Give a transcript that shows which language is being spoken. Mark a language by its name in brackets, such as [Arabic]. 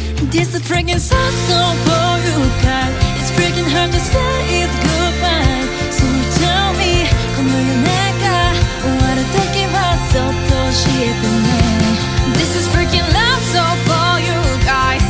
[English] This is freaking sad song for you guys. It's freaking hard to say it goodbye. So tell me [Japanese] この夢が終わる時はそっと教えてね。 [English] This is freaking love song for you guys.